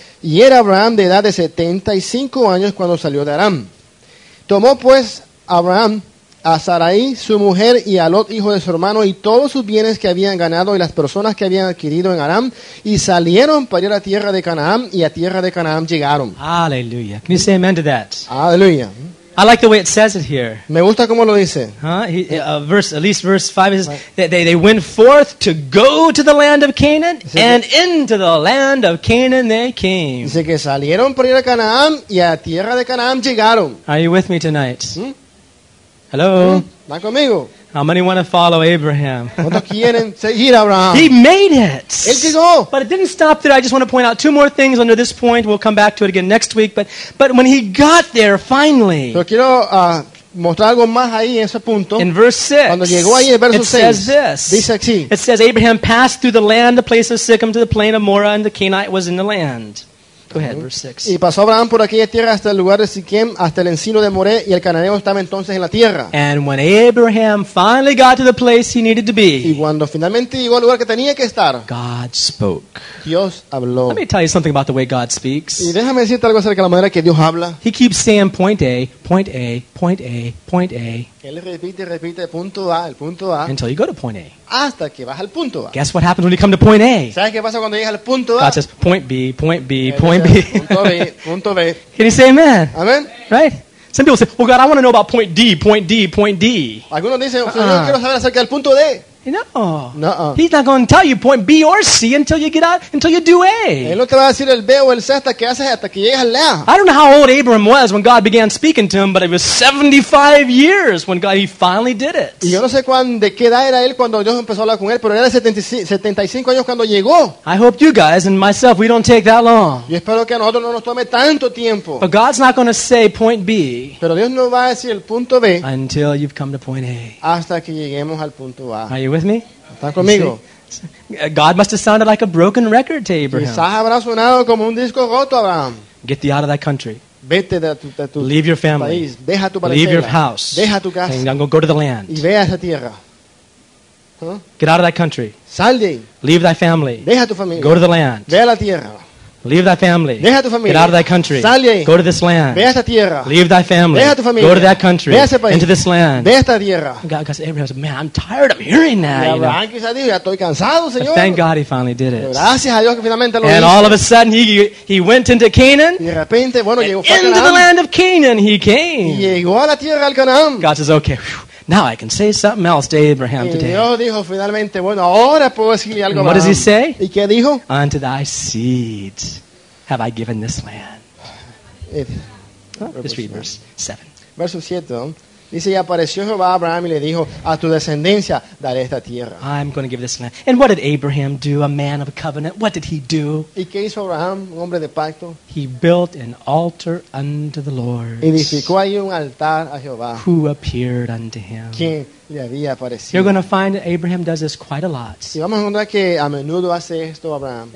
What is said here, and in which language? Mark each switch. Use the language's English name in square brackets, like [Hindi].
[Spanish] Y era Abraham de edad de 75 años cuando salió de Harán. Tomó pues Abraham a Sarai, su mujer, y a Lot, hijo de su hermano, y todos sus bienes que habían ganado y las personas que habían adquirido en Harán, y salieron para ir a la tierra de Canaán, y a tierra de Canaán llegaron. [English] Aleluya. Can you say amen to that? [Spanish] Aleluya. [English] I like the way it says it here. [Spanish] Me gusta cómo lo dice. Huh? [English] Verse 5 says, they went forth to go to the land of Canaan, and into the land of Canaan they came. [Spanish] Dice que salieron para ir a Canaán, y a tierra de Canaán llegaron. [English] Are you with me tonight? Hello? [Spanish] ¿Están conmigo? [English] How many want to follow Abraham? He made it. But it didn't stop there. I just want to point out two more things under this point. We'll come back to it again next week. But when he got there, finally, [Spanish] mostrar algo más ahí en ese punto. [English] In verse 6, [Spanish] cuando llegó ahí, el verso [English] it says [Spanish] 6, [English] this. [Spanish] Dice aquí, [English] it says, Abraham passed through the land, the place of Sichem, to the plain of Moreh, and the Kenite was in the land. Go ahead, verse 6. [Spanish] Y pasó Abraham por aquella tierra hasta el lugar de Siquem, hasta el encino de Moré, y el cananeo estaba entonces en la tierra. [English] And when Abraham finally got to the place he needed to be, [Spanish] y cuando finalmente llegó al lugar que tenía que estar, [English] God spoke. [Spanish] Dios habló. [English] Let me tell you something about the way God speaks. [Spanish] Y déjame decirte algo acerca de la manera que Dios habla. [English] He keeps saying point A, point A, point A, point A. [Spanish] Él repite punto A, el punto A. [English] Until you go to point A. [Spanish] Hasta que vas al punto A. [English] Guess what happens when you come to point A? [Spanish] ¿Sabes qué pasa cuando llegas al punto A? [English] God says point B, point B, point B. [Spanish] Punto B, punto B. [English] Can you say amen? Amen. Right? Some people say, "Well, God, I want to know about point D, point D, point D." [Spanish] Algunos dicen, "Yo quiero saber acerca del punto D." [English] No. He's not going to tell you point B or C until you get out, until you do A. [Spanish] Él no te va a decir el B o el C hasta que haces, hasta que llegues al A. [English] I don't know how old Abraham was when God began speaking to him, but it was 75 years when God, he finally did it. [Spanish] Y yo no sé de qué edad era él cuando Dios empezó a hablar con él, pero era 75 años cuando llegó. [English] I hope you guys and myself, we don't take that long. [Spanish] Yo espero que a nosotros no nos tome tanto tiempo. [English] But God's not going to say point B. [Spanish] Pero Dios no va a decir el punto B. [English] Until you've come to point A. [Spanish] Hasta que lleguemos al punto A. [English] With me? [Spanish] ¿Están conmigo? [English] God must have sounded like a broken record to Abraham. [Spanish] Quizás habrá sonado como un disco roto, Abraham. [English] Get thee out of that country. [Spanish] Vete de tu [English] leave your family. [Spanish] País. Deja tu [English] leave your house. [Spanish] Deja tu casa. [English] And go to the land. [Spanish] Y ve a esa tierra. [English] Huh? Get out of that country. [Spanish] Sal de. [English] Leave thy family. [Spanish] Deja tu familia. [English] Go to the land. [Spanish] Ve a la tierra. [English] Leave thy family. [Spanish] Deja tu familia. [English] Get out of thy country. [Spanish] Sal de. [English] Go to this land. [Spanish] Ve a esta tierra. [English] Leave thy family. [Spanish] Deja tu familia. [English] Go to that country. [Spanish] Ve a ese país. [English] Into this land. [Spanish] Ve a esta tierra. [English] God, because Abraham says, man, I'm tired of hearing that. [Spanish] Y Abraham quizá dijo, ya estoy cansado, Señor. [English] But thank God he finally did it. [Spanish] Gracias a Dios que finalmente lo [English] and [Spanish] hizo. [English] All of a sudden he went into Canaan. [Spanish] Y de repente, bueno, llegó [English] a Canaán. Into the land of Canaan he came. [Spanish] Y llegó a la tierra al Canaán. [English] God says, okay, whew, now I can say something else to Abraham today. [Spanish] Y Dios dijo finalmente, bueno, ahora puedo decirle algo. [English] What does he say? [Spanish] ¿Y qué dijo? [English] Unto thy seed have I given this land. Just read verse 7. [Spanish] Verso 7. Dice, y apareció Jehová a Abraham y le dijo, a tu descendencia daré esta tierra. [English] I'm going to give this land. And what did Abraham do, a man of a covenant? What did he do? [Spanish] ¿Y qué hizo Abraham, un hombre de pacto? [English] He built an altar unto the Lord. [Spanish] Edificó ahí un altar a Jehová. [English] Who appeared unto him. [Spanish] ¿Quién le había aparecido? [English] You're going to find that Abraham does this quite a lot. [Spanish] Y vamos a encontrar que a menudo hace esto Abraham.